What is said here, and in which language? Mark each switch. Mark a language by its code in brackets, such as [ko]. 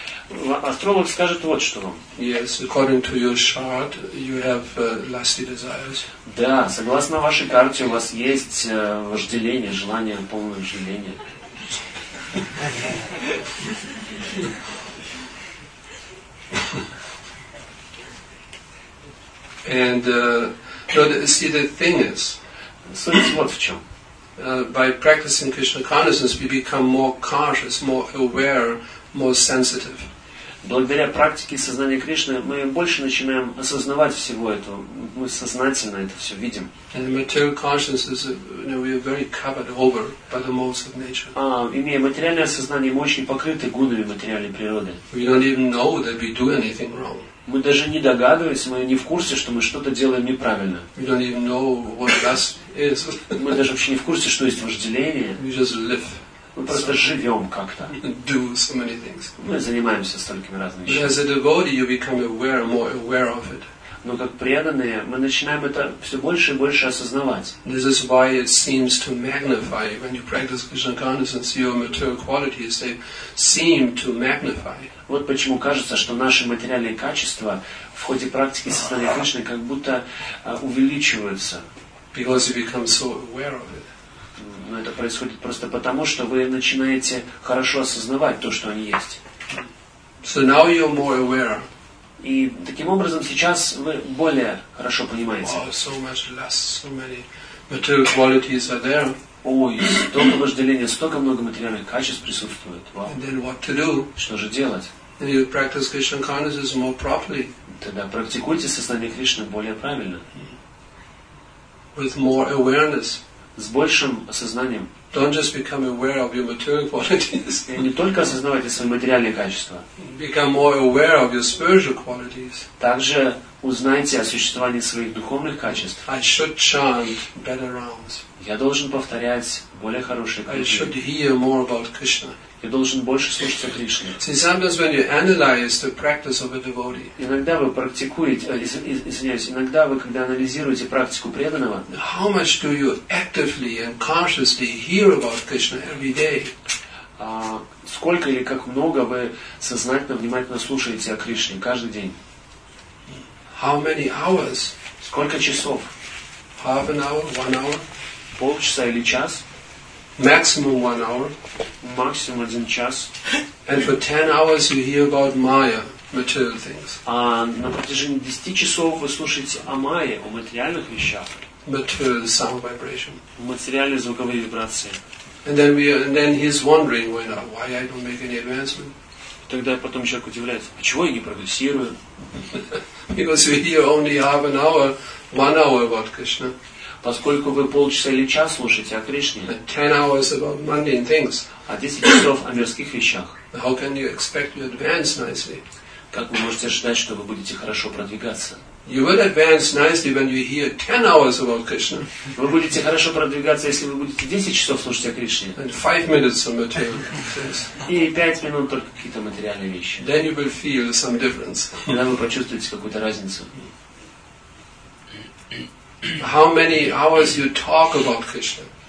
[ru] Астролог скажет вот что вам. [en] Yes, according to your chart, you have lusty desires. [ru] Да, согласно вашей карте, у вас есть вожделение, желание, полное вожделение. [en] And see, the thing is. [ru] Суть вот в чем. [en] By practicing Krishna consciousness, we become more conscious, more aware, more sensitive. [ru] Благодаря практике сознания Кришны мы больше начинаем осознавать всего этого. Мы сознательно это все видим. [en] And the material consciousness, you know, we are very covered over by the modes of nature. [ru] Имея материальное сознание, мы очень покрыты гунами материальной природы. [en] We don't even know that we do anything wrong. [ru] Мы даже не догадываемся, мы не в курсе, что мы что-то делаем неправильно. [en] We don't even know what lust is. [ru] Мы даже вообще не в курсе, что есть вожделение. [en] We just live. [ru] Мы просто живем как-то. [en] Do so many things. [ru] Мы занимаемся столькими разными вещами. [en] But as a devotee, you become aware, more aware of it. [ru] Но как преданные, мы начинаем это все больше и больше осознавать. [en] This is why it seems to magnify when you practice Krishna consciousness, your material qualities, they seem to magnify. [ru] Вот почему кажется, что наши материальные качества в ходе практики сознания Кришны как будто увеличиваются. [en] Because you become so aware of it. [ru] Но это происходит просто потому, что вы начинаете хорошо осознавать то, что они есть. [en] So now you're more aware. [ru] И таким образом сейчас вы более хорошо понимаете. [en] Wow, so much lust, so many material qualities are there. [ru] Ой, столько вожделения, столько много материальных качеств присутствует. [en] Wow. And then what to do? [ru] Что же делать? [en] And you practice Krishna consciousness more properly. [ru] Тогда практикуйте сознание Кришны более правильно. [en] With more awareness. [ru] С большим осознанием. [en] Don't just become aware of your material qualities. [ru] И не только осознавайте свои материальные качества. [en] Become more aware of your spiritual qualities. [ru] Также узнайте о существовании своих духовных качеств. [en] I should chant better rounds. [ru] Я должен повторять более хорошие кругы. [en] I should hear more about Krishna. [ru] Я должен больше слушать о Кришне. [en] See, sometimes when you analyze the practice of a devotee. [ru] Иногда вы практикуете, иногда вы, когда анализируете практику преданного. [en] How much do you actively and consciously hear about Krishna every day? [ru] Сколько или как много вы сознательно, внимательно слушаете о Кришне каждый день? [en] How many hours? [ru] Сколько часов? [en] Half an hour, one hour. [ru] Полчаса или час? [en] Maximum one hour. [ru] Maximum один час. [en] And for 10 hours you hear about Maya, material things. [ru] А на протяжении 10 часов вы слушаете о Майе, о материальных вещах. [en] Material sound vibration. [ru] Материальные звуковые вибрации. [en] And then he's wondering why I don't make any advancement. [ru] Тогда потом человек удивляется, а чего я не прогрессирую? [en] Because we hear only half an hour, one hour about Krishna. [ru] Поскольку вы полчаса или час слушаете о Кришне, [en] 10 hours about mundane things, [ru] а 10 часов о мирских вещах, [en] how can you expect to advance nicely? [ru] Как вы можете ожидать, что вы будете хорошо продвигаться? [en] You will advance nicely when you hear 10 hours about Krishna. [ru] Вы будете хорошо продвигаться, если вы будете 10 часов слушать о Кришне. [en] And 5 minutes of material things. [ru] И 5 минут только какие-то материальные вещи. [en] Then you will feel some difference. [ru] Тогда вы почувствуете какую-то разницу. [en] How many hours you talk about Krishna?